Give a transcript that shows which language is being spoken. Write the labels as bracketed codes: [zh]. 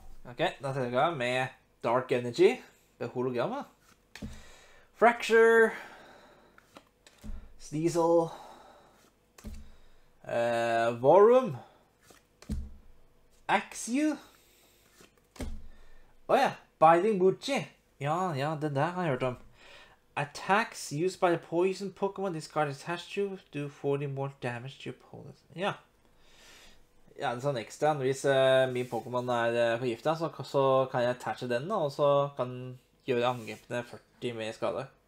[no] Ok, da tar jeg med Dark Energy. Det er hologramma. Fracture. Sneasel. Vorum. Axew. Åja, Biting Butchie. Ja, det der har jeg hørt om. [en] Attacks used by the poison Pokemon discard attached to do 40 more damage to your opponent. [no] Ja. Ja, det er sånn ekstra. Hvis min Pokemon er forgiftet, så kan jeg attache den da, og så kan gjøre angrepene 40 mer skade.